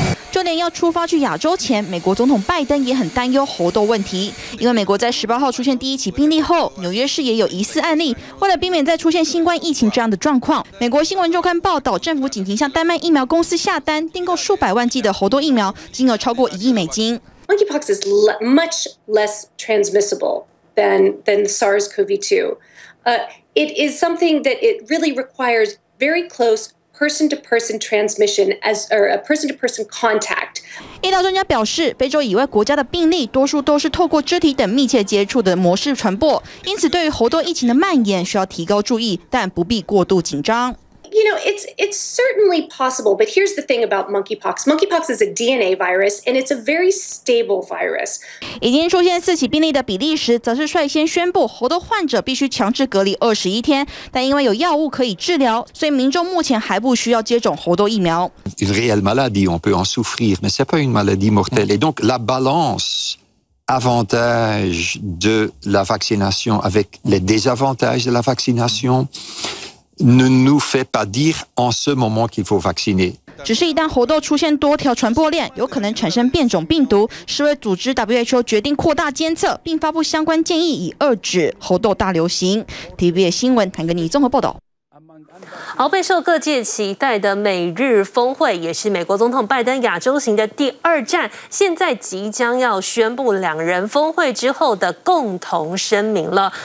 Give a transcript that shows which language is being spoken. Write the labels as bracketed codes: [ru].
[zh] 就连要出发去亚洲前，美国总统拜登也很担忧猴痘问题，因为美国在18号出现第一起病例后，纽约市也有疑似案例。为了避免再出现新冠疫情这样的状况，美国新闻周刊报道，政府紧急向丹麦疫苗公司下单，订购数百万剂的猴痘疫苗，金额超过$1亿。 [en] Monkeypox is much less transmissible than SARS-CoV-2. It is something that it really requires very close. Person-to-person transmission as or a person-to-person contact. [zh] 医疗专家表示，非洲以外国家的病例多数都是透过肢体等密切接触的模式传播，因此对于猴痘疫情的蔓延需要提高注意，但不必过度紧张。 [en] You know, it's certainly possible, but here's the thing about monkeypox. Monkeypox is a DNA virus, and it's a very stable virus. [zh] 已经出现四起病例的比利时，则是率先宣布猴痘患者必须强制隔离21天，但因为有药物可以治疗，所以民众目前还不需要接种猴痘疫苗。 [fr] Une réelle maladie, on peut en souffrir, mais c'est pas une maladie mortelle. Et donc la balance. Avantage de la vaccination avec les désavantages de la vaccination ne nous fait pas dire en ce moment qu'il faut vacciner. [zh] 只是一旦猴痘出现多条传播链，有可能产生变种病毒。世卫组织 WHO 决定扩大监测，并发布相关建议，以遏制猴痘大流行。 TVBS 新闻谭格尼综合报道。好，备受各界期待的美日峰会，也是美国总统拜登亚洲行的第二站，现在即将要宣布两人峰会之后的共同声明了。